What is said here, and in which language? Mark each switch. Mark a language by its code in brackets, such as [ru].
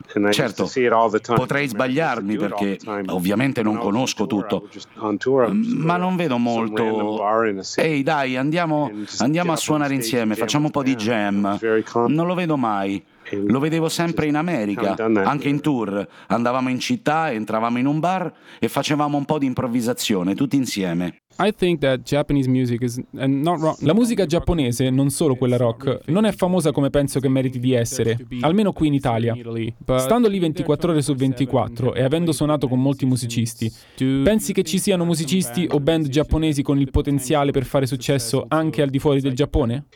[it] Certo, potrei sbagliarmi perché ovviamente non conosco tutto, ma non vedo molto. Ehi, dai, andiamo a suonare insieme, facciamo un po' di jam. Non lo vedo mai. Lo vedevo sempre in America, anche in tour. Andavamo in città, entravamo in un bar e facevamo un po' di improvvisazione, tutti insieme. [en] I think that Japanese music is not rock. [it] La musica giapponese, non solo quella rock, non è famosa come penso che meriti di essere, almeno qui in Italia. Stando lì 24 ore su 24 e avendo suonato con molti musicisti, pensi che ci siano musicisti o band giapponesi con il potenziale per fare successo anche al di fuori del Giappone?